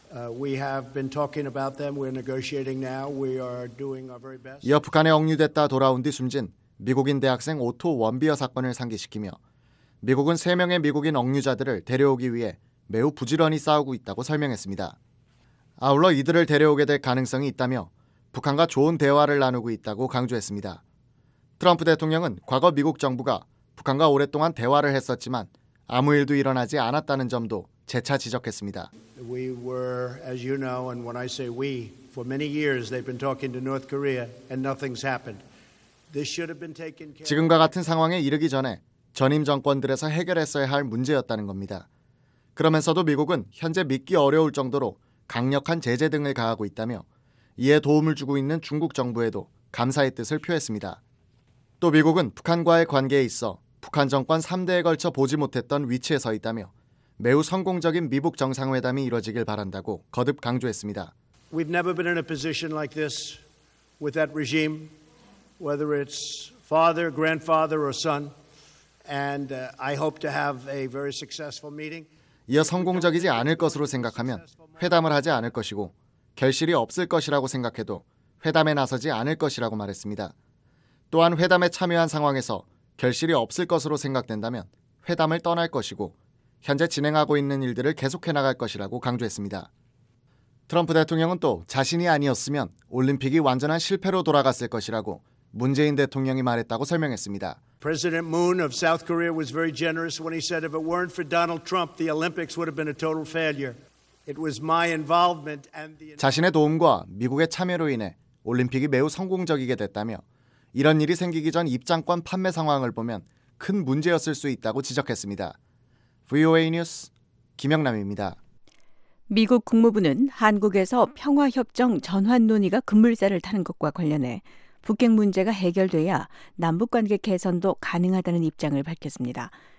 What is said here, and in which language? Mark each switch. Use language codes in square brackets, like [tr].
[en] We have been talking about them. We're negotiating now. We are doing our very best. [ko] 이어 북한에 억류됐다 돌아온 뒤 숨진 미국인 대학생 오토 원비어 사건을 상기시키며 미국은 세 명의 미국인 억류자들을 데려오기 위해 매우 부지런히 싸우고 있다고 설명했습니다. 아울러 이들을 데려오게 될 가능성이 있다며 북한과 좋은 대화를 나누고 있다고 강조했습니다. 트럼프 대통령은 과거 미국 정부가 북한과 오랫동안 대화를 했었지만 아무 일도 일어나지 않았다는 점도 재차 지적했습니다. [en] We were, as you know, and when I say we, for many years they've been talking to North Korea and nothing's happened. This should have been taken care of. [ko] 지금과 같은 상황에 이르기 전에 전임 정권들에서 해결했어야 할 문제였다는 겁니다. 그러면서도 미국은 현재 믿기 어려울 정도로 강력한 제재 등을 가하고 있다며 이에 도움을 주고 있는 중국 정부에도 감사의 뜻을 표했습니다. 또 미국은 북한과의 관계에 있어 북한 정권 3대에 걸쳐 보지 못했던 위치에 서 있다며 매우 성공적인 미북 정상회담이 이뤄지길 바란다고 거듭 강조했습니다. [en] We've never been in a position like this with that regime, whether it's father, grandfather or son. And I hope to have a very successful meeting. [ko] 이어 성공적이지 않을 것으로 생각하면 회담을 하지 않을 것이고 결실이 없을 것이라고 생각해도 회담에 나서지 않을 것이라고 말했습니다. 또한 회담에 참여한 상황에서 결실이 없을 것으로 생각된다면 회담을 떠날 것이고 현재 진행하고 있는 일들을 계속해 나갈 것이라고 강조했습니다. 트럼프 대통령은 또 자신이 아니었으면 올림픽이 완전한 실패로 돌아갔을 것이라고 문재인 대통령이 말했다고 설명했습니다. [en] President Moon of South Korea was very generous when he said if it weren't for Donald Trump, the Olympics would have been a total failure. It was my involvement and the [ko] 자신의 도움과 미국의 참여로 인해 올림픽이 매우 성공적이게 됐다며 이런 일이 생기기 전 입장권 판매 상황을 보면 큰 문제였을 수 있다고 지적했습니다. VOA 뉴스 김영남입니다. 미국 국무부는 한국에서 평화협정 전환 논의가 급물살을 타는 것과 관련해 북핵 문제가 해결돼야 남북관계 개선도 가능하다는 입장을 밝혔습니다.